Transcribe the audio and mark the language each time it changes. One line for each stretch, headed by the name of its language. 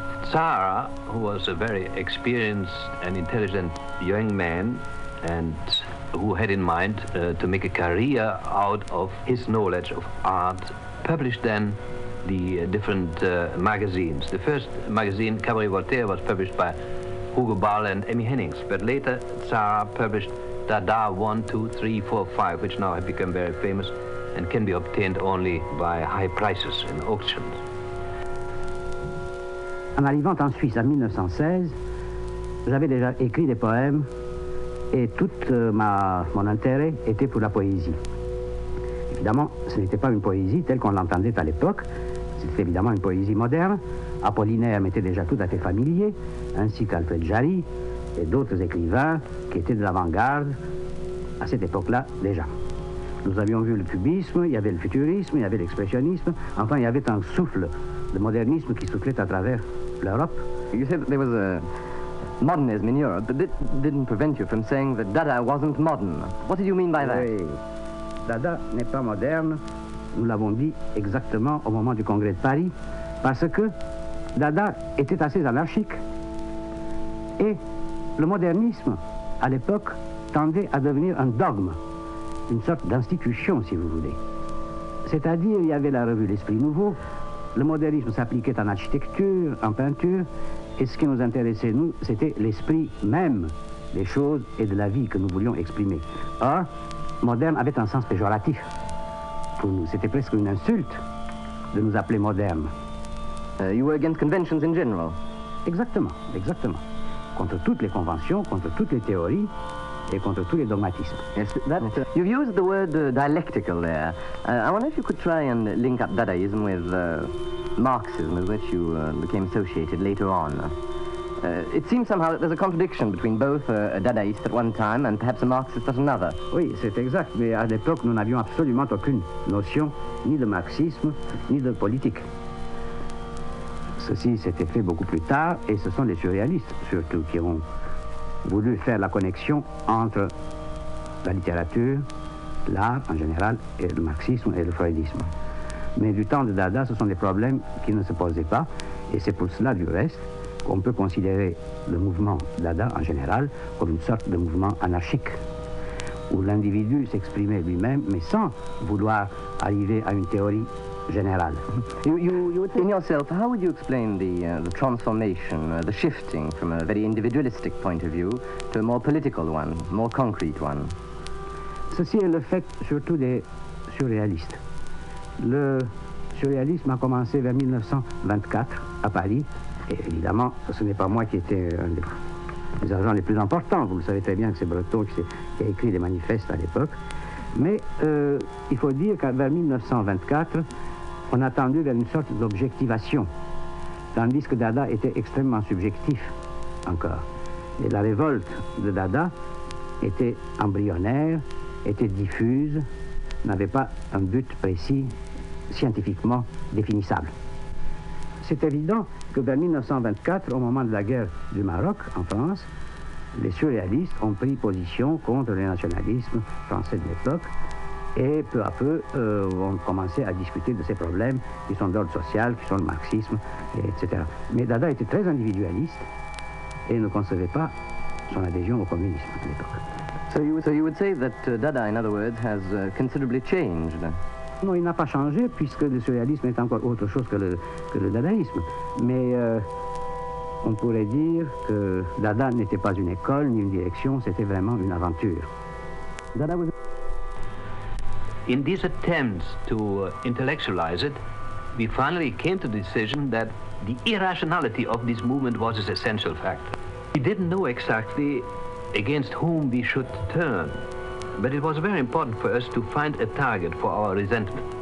English: Zara, who was a very experienced and intelligent young man, and who had in mind to make a career out of his knowledge of art, published then the different magazines. The first magazine, Cabaret Voltaire, was published by Hugo Ball and Emmy Hennings, but later Zara published Dada 1, 2, 3, 4, 5, which now have become very famous and can be obtained only by high prices in auctions.
French: En arrivant en Suisse en 1916, j'avais déjà écrit des poèmes et tout mon intérêt était pour la poésie. Évidemment, ce n'était pas une poésie telle qu'on l'entendait à l'époque, c'était évidemment une poésie moderne. Apollinaire m'était déjà tout à fait familier, ainsi qu'Alfred Jarry et d'autres écrivains qui étaient de l'avant-garde à cette époque-là déjà. Nous avions vu le cubisme, il y avait le futurisme, il y avait l'expressionnisme, enfin il y avait un souffle de modernisme qui soufflait à travers l'Europe.
English: You said that there was a modernism in Europe, but that didn't prevent you from saying that Dada wasn't modern. What did you mean by that?
French: Oui. Dada n'est pas moderne, nous l'avons dit exactement au moment du congrès de Paris, parce que Dada était assez anarchique. Et le modernisme, à l'époque, tendait à devenir un dogme, une sorte d'institution, si vous voulez. C'est-à-dire, il y avait la revue L'Esprit Nouveau, le modernisme s'appliquait en architecture, en peinture, et ce qui nous intéressait, nous, c'était l'esprit même des choses et de la vie que nous voulions exprimer. Or, moderne avait un sens péjoratif. Pour nous, c'était presque une insulte de nous appeler moderne.
English: You were against conventions in general?
French: Exactement, exactement. Contre toutes les conventions, contre toutes les théories, et contre tous les dogmatismes.
English: Yes, that, you've used the word dialectical there. I wonder if you could try and link up Dadaism with Marxism, with which you became associated later on. It seems somehow that there's a contradiction between both a Dadaist at one time and perhaps a Marxist at another.
French: Oui, c'est exact, mais à l'époque, nous n'avions absolument aucune notion ni de marxisme, ni de politique. Ceci s'était fait beaucoup plus tard et ce sont les surréalistes surtout qui ont voulu faire la connexion entre la littérature, l'art en général et le marxisme et le freudisme. Mais du temps de Dada, ce sont des problèmes qui ne se posaient pas et c'est pour cela du reste qu'on peut considérer le mouvement Dada en général comme une sorte de mouvement anarchique où l'individu s'exprimait lui-même mais sans vouloir arriver à une théorie general.
English: You would think in yourself, how would you explain the transformation, the shifting from a very individualistic point of view to a more political one, more concrete one?
French: Ceci est le fait surtout des surréalistes. Le surréalisme a commencé vers 1924 à Paris, et évidemment, ce n'est pas moi qui étais un des agents les plus importants, vous le savez très bien que c'est Breton qui a écrit les manifestes à l'époque. Mais il faut dire qu'à vers 1924, on a tendu vers une sorte d'objectivation, tandis que Dada était extrêmement subjectif encore. Et la révolte de Dada était embryonnaire, était diffuse, n'avait pas un but précis, scientifiquement définissable. C'est évident que vers 1924, au moment de la guerre du Maroc en France, les surréalistes ont pris position contre le nationalisme français de l'époque et peu à peu ont commencé à discuter de ces problèmes qui sont d'ordre social, qui sont le marxisme, etc. Mais Dada était très individualiste et ne concevait pas son adhésion au communisme de l'époque.
English: So you would say that Dada, in other words, has considerably changed?
French: Non, il n'a pas changé puisque le surréalisme est encore autre chose que le dadaïsme. Mais on pourrait dire que Dada n'était pas une école ni une direction, c'était vraiment une aventure.
English: Dada was... In these attempts to intellectualize it, we finally came to the decision that the irrationality of this movement was its essential factor. We didn't know exactly against whom we should turn, but it was very important for us to find a target for our resentment.